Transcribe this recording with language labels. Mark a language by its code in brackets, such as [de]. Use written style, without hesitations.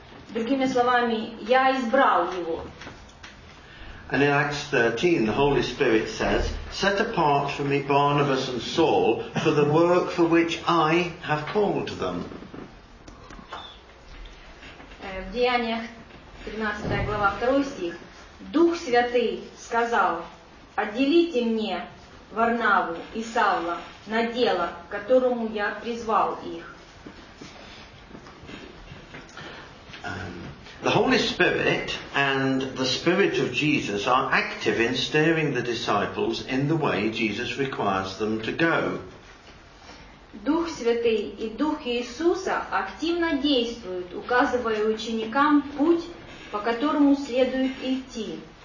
[ru] Другими словами, я избрал его. [en] And in Acts 13, the Holy Spirit says, set apart for me Barnabas and Saul for the work for which I have called them. [ru] В Деяниях 13 глава 2 стих Дух Святый сказал, отделите мне Варнаву и Савла на дело, к которому я призвал их. [en] The Holy Spirit and the Spirit of Jesus are active in steering the disciples in the way Jesus requires them to go. [ru] Дух Святый и Дух Иисуса активно действуют, указывая ученикам путь, по которому следует идти.